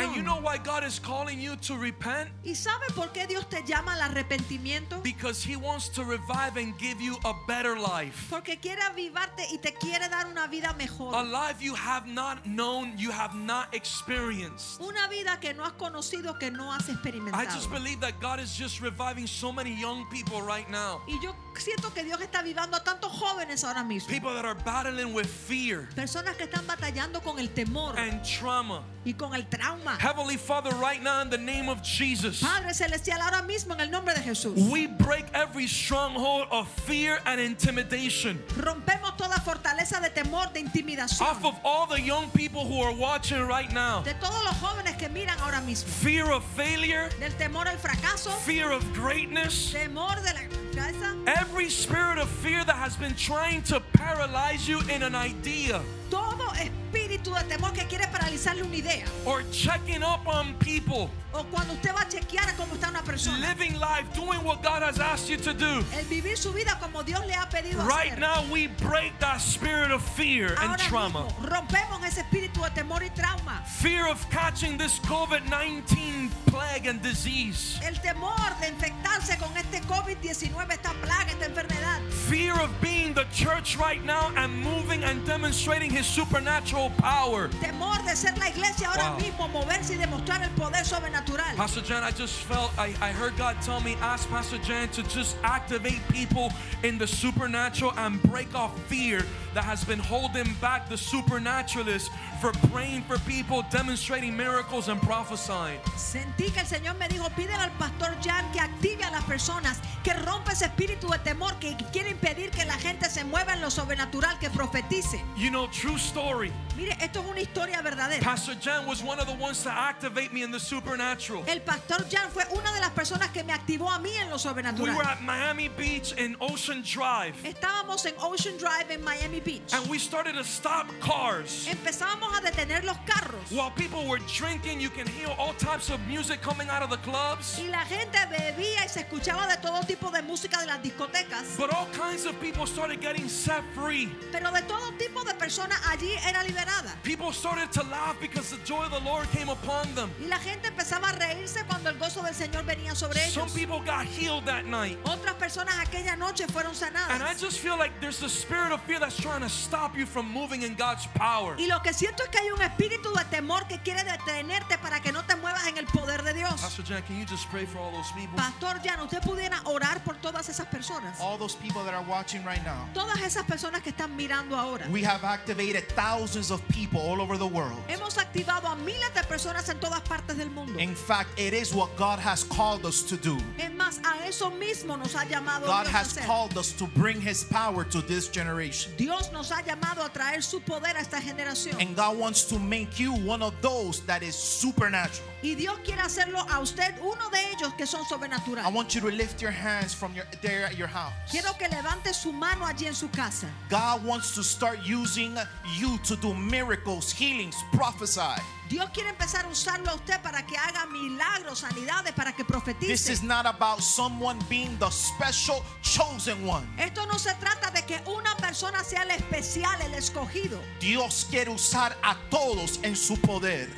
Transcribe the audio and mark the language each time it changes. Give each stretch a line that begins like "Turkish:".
English: And you know why God is calling you to repent?
Spanish: ¿Y sabe por qué Dios te llama al arrepentimiento?
English: Because He wants to revive and give you a better life.
Spanish: Porque quiere avivarte y te quiere dar una vida mejor.
English: A life you have not known, you have not experienced.
Spanish: Una vida que no has conocido, que no has experimentado.
English: I just believe that God is just reviving so many young people right now.
Spanish: Y yo siento que Dios está avivando a tantos jóvenes ahora mismo.
English: People that are battling with fear.
Spanish: Personas que están batallando con el temor.
English: And trauma.
Spanish: Y con el trauma.
English: Heavenly Father, right now in the name of Jesus.
Spanish: Padre celestial, ahora mismo en el nombre de Jesús.
English: We break every stronghold of fear and intimidation.
Spanish: Rompemos toda fortaleza de temor, de intimidación.
English: Off of all the young people who are watching right now.
Spanish: De todos los jóvenes que miran ahora mismo.
English: Fear of failure.
Spanish: Del temor al fracaso.
English: Fear of greatness.
Spanish: Temor de la grandeza.
English: Every spirit of fear that has been trying to paralyze you in an idea.
Spanish: Todo espíritu de temor que quiere paralizarle una idea.
English: Or checking up on people.
Spanish: O cuando usted va a chequear cómo está una persona. persona.
English: Living life, doing what God has asked you to do.
Spanish: El vivir su vida como Dios le ha pedido hacer.
English: Right now we break that spirit of fear
Spanish: Ahora
English: and trauma.
Spanish: Mismo, rompemos ese espíritu de temor y trauma.
English: Fear of catching this COVID-19 plague and disease.
Spanish: El temor de infectarse con este COVID-19, esta plaga, esta enfermedad.
English: Fear of being the church right now and moving and demonstrating his supernatural power.
Spanish: Temor de ser la iglesia ahora mismo, moverse y demostrar el poder sobrenatural.
English: Pastor Jan, I just felt, I heard God tell me, ask Pastor Jan to just activate people in the supernatural and break off fear that has been holding back the supernaturalists for praying for people, demonstrating miracles and prophesying.
Spanish: Sentí que el Señor me dijo, pídele al Pastor Jan que active a las personas, que rompa ese espíritu de temor, que quiere impedir que la gente se mueva en lo sobrenatural, que profetice.
English: You know, true story.
Spanish: Mire, esto es una historia verdadera.
English: Pastor Jan was one of the ones to activate me in the supernatural.
Spanish: El Pastor Jan fue una de las personas que me activó a mí en lo sobrenatural.
English: We were at Miami Beach in Ocean Drive.
Spanish: Estábamos en Ocean Drive en Miami Beach.
English: And we started to stop cars.
Spanish: Empezábamos a detener los carros.
English: While people were drinking, you can hear all types of music coming out of the clubs.
Spanish: Y la gente bebía y se escuchaba de todo tipo de música de las discotecas.
English: But all kinds of people started getting set free.
Spanish: Pero de todo tipo de personas allí era liberada.
English: People started to laugh because the joy of the Lord came upon them.
Spanish: Y la gente empezaba a reírse cuando el gozo del Señor venía sobre ellos.
English: Some people got healed that night.
Spanish: Otras personas aquella noche fueron sanadas.
English: And I just feel like there's a spirit of fear that's trying to stop you from moving in God's power.
Spanish: Y lo que siento es que hay un espíritu de temor que quiere detenerte para que no te muevas en el poder de Dios.
English: Pastor Jan, can you just pray for all those people?
Spanish: Pastor Jan, ¿usted pudiera orar por todas esas personas?
English: All those people that are watching right now.
Spanish: Todas esas personas que están mirando ahora.
English: We have activated thousands of people all over the world.
Spanish: Hemos activado a miles de personas en todas partes del mundo.
English: In fact, it is what God has called us to do.
Spanish: Es más, a eso mismo nos ha llamado
English: God
Spanish: Dios
English: has
Spanish: a hacer.
English: Called us to bring his power to this generation.
Spanish: Dios nos ha llamado a traer su poder a esta generación.
English: And God wants to make you one of those that is supernatural.
Spanish: Y Dios quiere hacerlo a usted uno de ellos que son sobrenaturales.
English: I want you to lift your hands from your there at your house.
Spanish: Quiero que levante su mano allí en su casa.
English: God wants to start using you to do miracles, healings, prophesy.
Spanish: Dios quiere empezar a usarlo a usted para que haga milagros, sanidades, para que profetice.
English: This is not about someone being the special chosen one.
Spanish: Esto no se trata de que una persona sea el especial, el escogido. Dios quiere usar a todos en su poder.